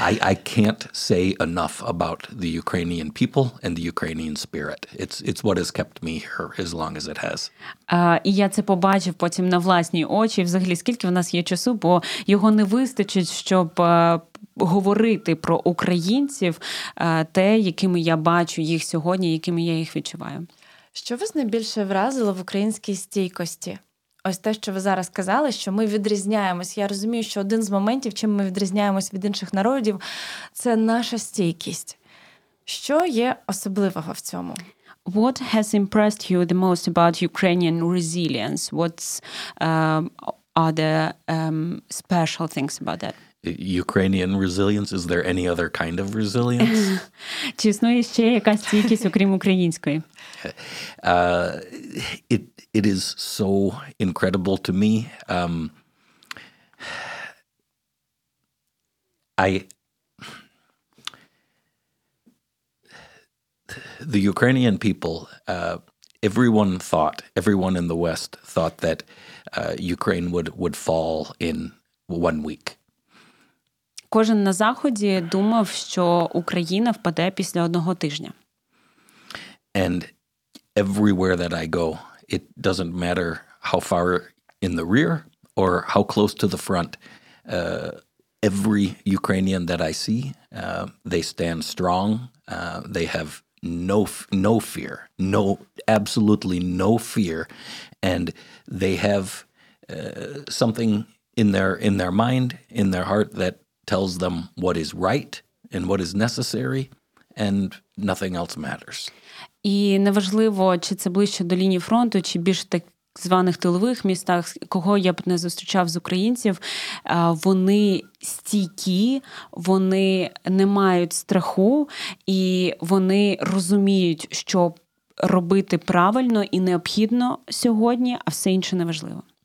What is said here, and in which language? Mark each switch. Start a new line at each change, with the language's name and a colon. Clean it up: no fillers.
English: I can't say enough about the Ukrainian people and the Ukrainian spirit. It's what has kept me here as long as it has.
Ukrainian: І я це побачив потім на власні очі. Взагалі, скільки в нас є часу, бо його не вистачить, щоб говорити про українців, те, якими я бачу їх сьогодні, якими я їх відчуваю. Що вас найбільше вразило в українській стійкості? Ось те, що ви зараз сказали, що ми відрізняємось. Я розумію, що один з моментів, чим ми відрізняємось від інших народів, це наша стійкість. Що є особливого в цьому?
English: What has impressed you the most about Ukrainian resilience? What's are the special things about that? Ukrainian resilience, is there any other kind of resilience?
Ukrainian: Чи існує ще якась стійкість, окрім української?
English: It is so incredible to me. The Ukrainian people, everyone in the West thought that Ukraine would fall in 1 week.
Ukrainian: Кожен на Заході думав, що Україна впаде після одного тижня.
English: And everywhere that I go, it doesn't matter how far in the rear or how close to the front, every Ukrainian that I see, they stand strong, they have no fear, no, absolutely no fear, and they have something in their mind, in their heart, that tells them what is right and what is necessary, and nothing else matters.
Ukrainian: І неважливо, чи це ближче до лінії фронту, чи більш так званих тилових містах, кого я б не зустрічав з українців, вони стійкі, вони не мають страху, і вони розуміють, що робити правильно і необхідно сьогодні, а все інше неважливо.